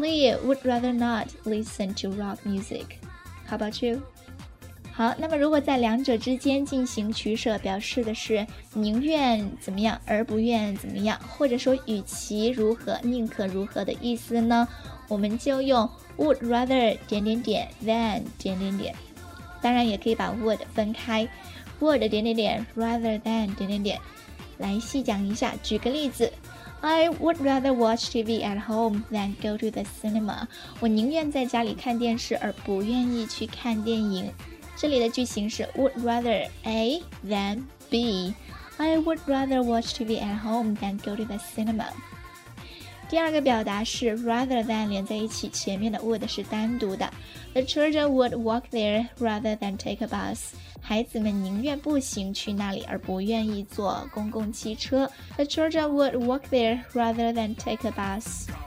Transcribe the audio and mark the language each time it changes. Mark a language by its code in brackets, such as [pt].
[en] Lee would rather not listen to rock music How about you? [zh] 好，那么如果在两者之间进行取舍，表示的是宁愿怎么样而不愿怎么样，或者说与其如何宁可如何的意思呢？我们就用 would rather 点点点 than 点点点。当然也可以把 would 分开 ，would 点点点 ，rather than 点点点，来细讲一下。举个例子 [en] ，I would rather watch TV at home than go to the cinema。 [zh] 我宁愿在家里看电视，而不愿意去看电影。这里的句型是 [en] would rather A than B. I would rather watch TV at home than go to the cinema. [zh] 第二个表达是 rather than 连在一起，前面的 would 是单独的。 [en] The children would walk there rather than take a bus. [zh] 孩子们宁愿步行去那里，而不愿意坐公共汽车。 [en] The children would walk there rather than take a bus.